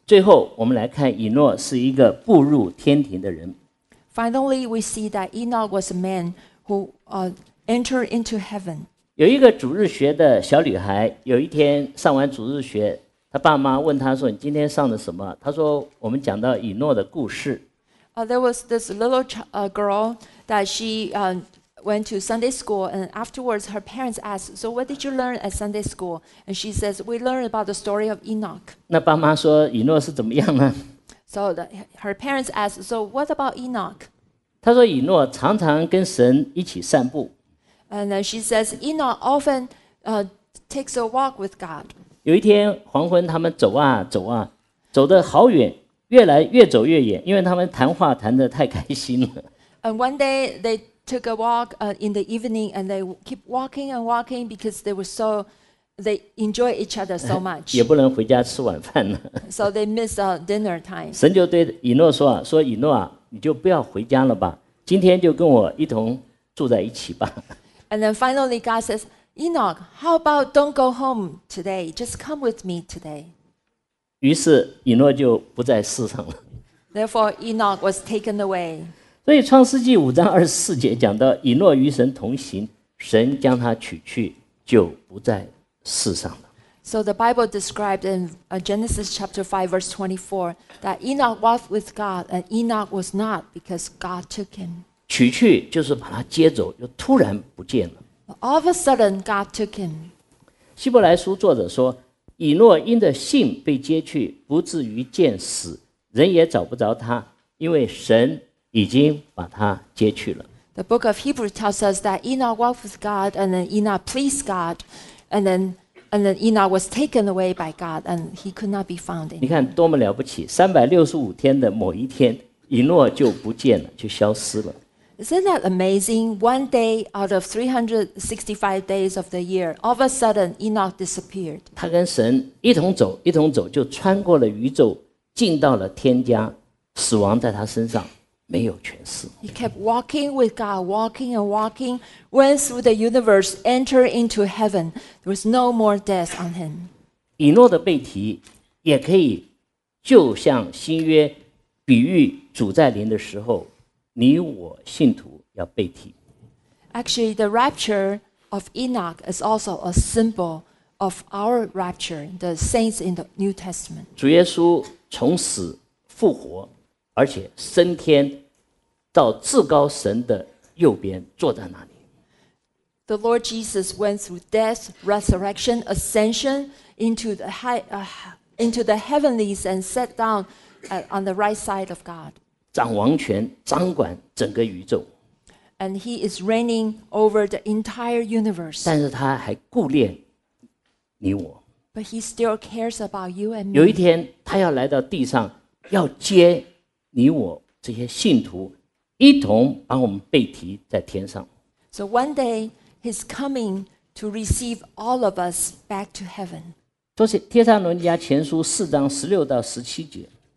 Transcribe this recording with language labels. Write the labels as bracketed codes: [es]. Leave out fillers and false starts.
[zh] 最后，我们来看以诺是一个步入天庭的人。 [en] Finally, we see that Enoch was a man who enter into heaven. [zh] 有一个主日学的小女孩，有一天上完主日学，她爸妈问她说：“你今天上的什么？” 她说：“我们讲到以诺的故事。” [en] There was this little girl that she went to Sunday school, and afterwards her parents asked, "So what did you learn at Sunday school?" And she says, "We learned about the story of Enoch." [zh] 那爸妈说以诺是怎么样呢 [en] ？So her parents asked, "So what about Enoch?" [zh] 她说以诺常常跟神一起散步。 [en] And then she says, Enoch often takes a walk with God. [zh] 有一天黄昏，他们走啊走啊，走得好远，越来越走越远，因为他们谈话谈得太开心了。 [en] And one day they took a walk in the evening, and they keep walking and walking because they enjoy each other so much. [zh] 也不能回家吃晚饭了。 [en] So they miss dinner time. [zh] 神就对以诺说啊，说以诺啊，你就不要回家了吧，今天就跟我一同住在一起吧。 [en] And then finally God says, Enoch, how about don't go home today? Just come with me today. [zh] 于是以诺就不在世上了。 [en] Therefore, Enoch was taken away. [zh] 所以创世纪五章二十四节讲到以诺与神同行，神将他取去，就不在世上了。 [en] So the Bible described in Genesis chapter 5 verse 24 that Enoch walked with God and Enoch was not because God took him. [zh] 取去就是把他接走，又突然不见了。 [en] All of a sudden, God took him. [zh] 希伯来书作者说，以诺因着信被接去，不至于见死，人也找不着他，因为神已经把他接去了。 [en] The book of Hebrews tells us that Enoch walked with God, and then Enoch pleased God, and then Enoch was taken away by God, and he could not be found. [zh] 你看多么了不起，365天的某一天，以诺就不见了，就消失了。 [en] Isn't that amazing? One day out of 365 days of the year, all of a sudden, Enoch disappeared. [zh] 他跟神一同走，一同走，就穿过了宇宙，进到了天家。死亡在他身上没有权势。 [en] He kept walking with God, walking and walking, went through the universe, entered into heaven. There was no more death on him. [zh] 以诺的背题也可以就像新约比喻主在临的时候。你我信徒要背题。 [en] Actually, the rapture of Enoch is also a symbol of our rapture, the saints in the New Testament. [zh] 主耶稣从死复活，而且升天，到至高神的右边坐在那里。 [en] The Lord Jesus went through death, resurrection, ascension into the heavenlies and sat down on the right side of God. [zh] 掌王权，掌管整个宇宙。 [en] And he is reigning over the entire universe. [zh] 但是他还顾念你我。 [en] But he still cares about you and me. [zh] 有一天，他要来到地上，要接你我这些信徒，一同把我们被提在天上。 [en] So one day he's coming to receive all of us back to heaven. [zh] 帖撒罗尼迦前书四章十六到十七节。